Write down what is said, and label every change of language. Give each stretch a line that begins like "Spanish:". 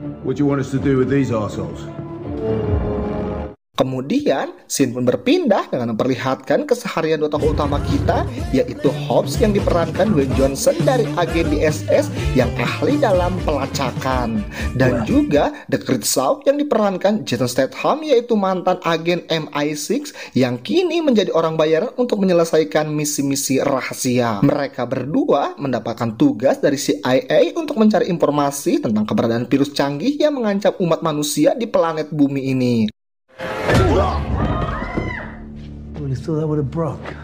English: What do you want us to do with these assholes?
Indonesian: Kemudian, scene pun berpindah dengan memperlihatkan keseharian dua tokoh utama kita, yaitu Hobbs yang diperankan Dwayne Johnson dari agen DSS yang ahli dalam pelacakan. Dan juga The Great Saw yang diperankan Jason Statham, yaitu mantan agen MI6 yang kini menjadi orang bayaran untuk menyelesaikan misi-misi rahasia. Mereka berdua mendapatkan tugas dari CIA untuk mencari informasi tentang keberadaan virus canggih yang mengancam umat manusia di planet bumi ini.
English: I would have thought that would have broke.